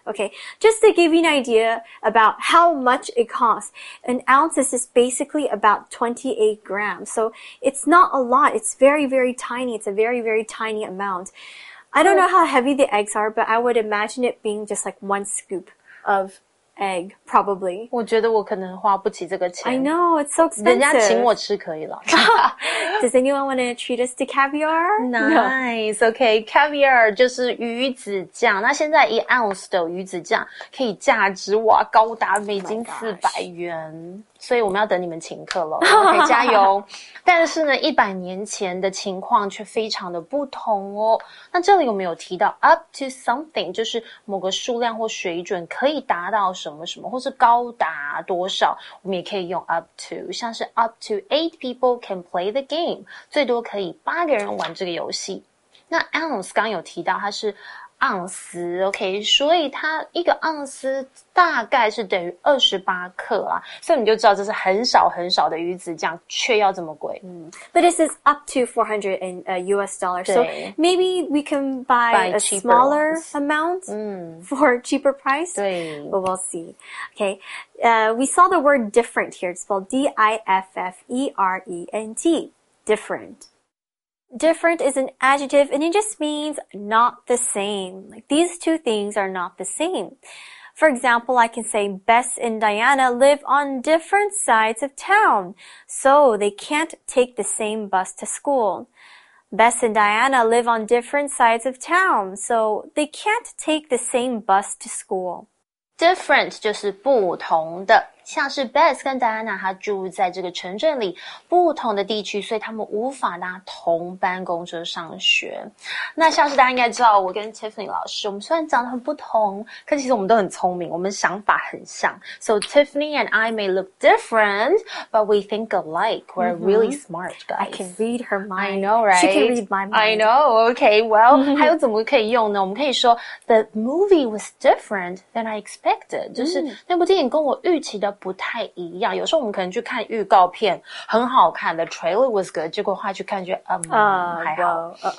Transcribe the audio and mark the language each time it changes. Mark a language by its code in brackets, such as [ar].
[en] Okay, just to give you an idea about how much it costs, an ounce is just basically about 28 grams. So it's not a lot. It's very, very tiny. It's a very, very tiny amount. I don't know how heavy the eggs are, but I would imagine it being just like one scoop of... egg, probably. [zh] 我觉得我可能花不起这个钱。 [en] I know, it's so expensive. [zh] 人家请我吃可以了。 [en] Does anyone want to treat us to caviar? Nice, okay. Caviar [zh] 就是鱼子酱。那现在一 ounce 的鱼子酱可以价值哇，高达美金400元。所以我们要等你们请客了 ，OK， 加油！但是呢，100年前的情况却非常的不同哦。那这里有没有提到 [en] up to something， [zh] 就是某个数量或水准可以达到什么什么，或是高达多少？我们也可以用 [en] up to， 像是 up to 8 people can play the game， [zh] 最多可以八个人玩这个游戏。那 ounce 刚刚有提到它是盎司 ，OK， 所以它一个盎司大概是等于28克啦，所以你就知道这是很少很少的鱼子酱，却要这么贵。 [en] But this is up to $400 US, so maybe we can buy a smaller amount for cheaper price. [zh] 对 [en] ，but we'll see. Okay, we saw the word different here. It's spelled D-I-F-F-E-R-E-N-T, different. Different is an adjective, and it just means not the same. Like, these two things are not the same. For example, I can say Bess and Diana live on different sides of town, so they can't take the same bus to school. Bess and Diana live on different sides of town, so they can't take the same bus to school. [zh] Different 就是不同的。像是 Bess 跟 Diana 她住在这个城镇里不同的地区，所以他们无法搭同班公车上学。那像是大家应该知道，我跟 Tiffany 老师，我们虽然长得很不同，可其实我们都很聪明，我们想法很像。 [en] So Tiffany and I may look different, but we think alike. We're really smart guys. I can read her mind. I know, right? She can read my mind. I know. Okay, well, [zh] 还有怎么可以用呢？我们可以说 [en] The movie was different than I expected. [zh] 就是那部电影跟我预期的不太一样，有时候我们可能去看预告片，很好看的 [en] trailer was good， [zh] 结果话去看就还好。